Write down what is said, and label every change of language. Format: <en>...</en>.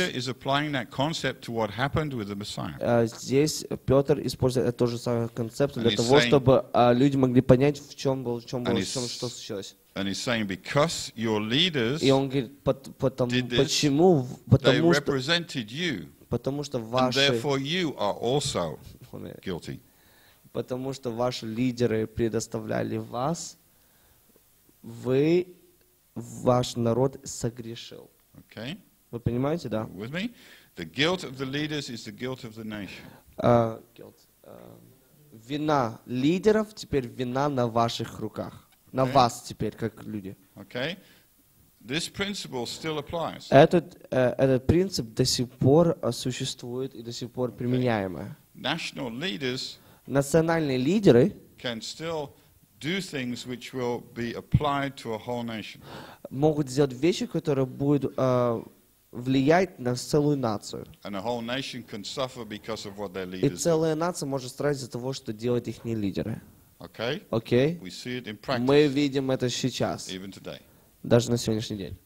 <en>Peter is applying that concept to what happened with the Messiah.</en> <ru>Здесь Петр использует тот же самый концепт для того,</ru> <en>saying,</en> <ru>чтобы люди могли понять, что случилось.</ru> <en>And he's saying because your leaders</en> <ru>и он говорит, почему, потому</ru> <en>they represented you,</en> <ru>потому что ваши,</ru> <en>and therefore you are also guilty.</en> <ru>Потому что ваши лидеры предоставляли вас. Вы, ваш народ согрешил.</ru> <en>Okay.</en> <ru>Вы понимаете, да?</ru> <en>With me? The guilt of the leaders is the guilt of the nation.</en> <ru>Вина лидеров теперь вина на ваших руках. Okay. На вас теперь, как люди.</ru> <en>Okay. This principle still applies.</en> <ru>Этот принцип до сих пор существует и до сих пор применяемый.</ru> <en>National leaders</en> <ru>национальные лидеры</ru> <en>can still do things which will be applied to a whole nation.</en> <ru>Могут сделать вещи, которые будут влиять на целую нацию.</ru> <en>And a whole nation can suffer because of what their leaders.</en> <ru>И целая нация может страдать из-за того, что делают их не лидеры.</ru> <en>Okay? Okay? We see it in practice.</en> <ru>Мы видим это сейчас.</ru> <en>Even today.</en> <ru>Даже на сегодняшний день.</ru>